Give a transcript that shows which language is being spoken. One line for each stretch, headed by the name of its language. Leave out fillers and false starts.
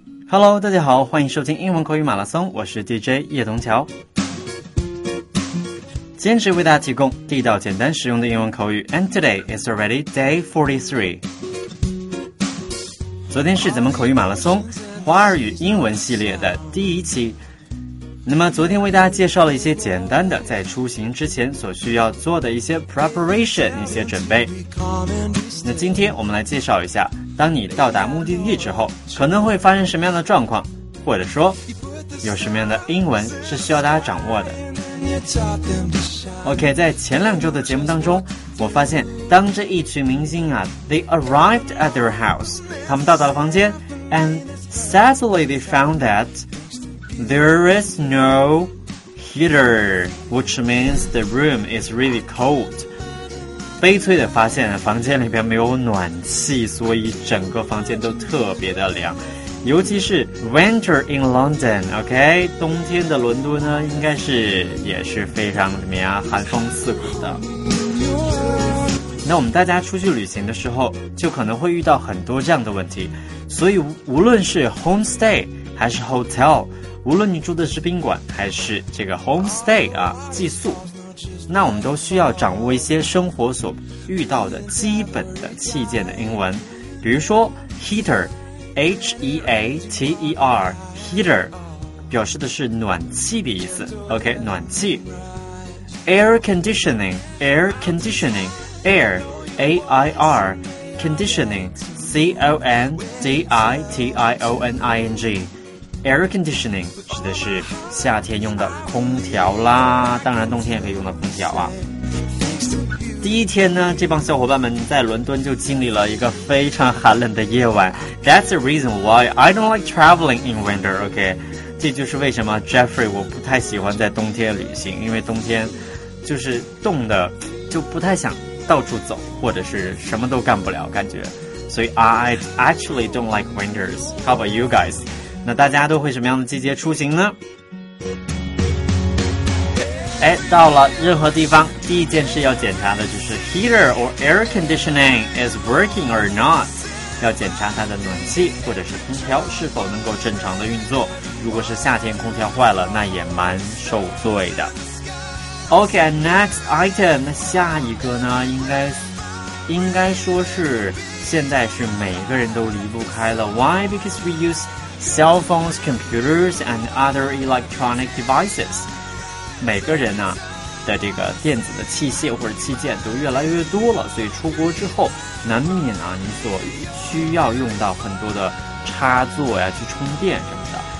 Chinese: Hello, 大家好，欢迎收听英文口语马拉松，我是 DJ 叶东桥。坚持为大家提供地道、简单、实用的英文口语。
English: And today is already day 43.
Chinese: 昨天是咱们口语马拉松华尔语英文系列的第一期。那么昨天为大家介绍了一些简单的在出行之前所需要做的一些 preparation 一些准备，那今天我们来介绍一下当你到达目的地之后可能会发生什么样的状况，或者说有什么样的英文是需要大家掌握的。
English: OK，
Chinese: 在前两周的节目当中我发现当这一群明星啊
English: They arrived at their house，
Chinese: 他们到达了房间，
English: And sadly they found thatThere is no heater, which means the room is really cold.
Chinese: 悲催地发现房间里边没有暖气，所以整个房间都特别的凉。尤其是
English: winter in London, OK?
Chinese: 冬天的伦敦呢，应该是也是非常怎么样，寒风刺骨的。那我们大家出去旅行的时候，就可能会遇到很多这样的问题。所以无论是 homestay 还是 hotel,无论你住的是宾馆还是这个 homestay 啊，寄宿，那我们都需要掌握一些生活所遇到的基本的器件的英文。比如说 heater， H-E-A-T-E-R， heater 表示的是暖气的意思。OK， 暖气。 Air conditioning， air conditioning， air A-I-R conditioning C-O-N-D-I-T-I-O-N-I-N-G，air conditioning 指的是夏天用的空调啦，当然冬天也可以用的空调啊。第一天呢，这帮小伙伴们在伦敦就经历了一个非常寒冷的夜晚。
English: That's the reason why I don't like traveling in winter, OK?
Chinese: 这就是为什么 Jeffrey 我不太喜欢在冬天旅行，因为冬天就是冻的就不太想到处走，或者是什么都干不了感觉。所以
English: I actually don't like winters. How about you guys?
Chinese: 那大家都会什么样的季节出行呢？哎，到了任何地方，第一件事要检查的就是
English: heater or air conditioning is working or not，
Chinese: 要检查它的暖气或者是空调是否能够正常的运作。如果是夏天空调坏了，那也蛮受罪的。 OK，
English: next item，
Chinese: 那下一个呢？应该说是现在是每个人都离不开了。
English: Why? Because we use cell phones, computers, and other electronic devices.
Chinese: 每个人呢、啊、的这个电子的器械或者器件都越来越多了，所以出国之后难免啊，你所需要用到很多的插座呀、啊，去充电什么的。